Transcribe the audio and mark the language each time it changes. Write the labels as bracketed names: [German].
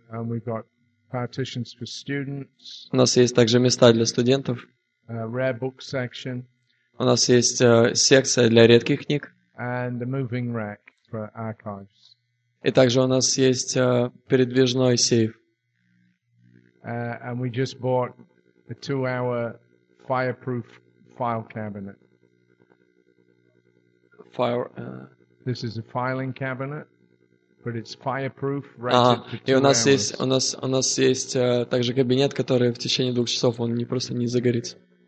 [English] And we've got partitions for students. [Russian] У нас есть также места для студентов. [English] Rare book section. [Russian] У нас есть секция для редких книг. [English] And a moving rack for archives. [Russian] И также у нас есть передвижной сейф. [English] And we just bought a 2-hour fireproof file cabinet. This is a filing cabinet. But it's fireproof, rated for 2 hours. [Russian] И у нас есть также кабинет, который в течение 2 часов он не просто не загорится.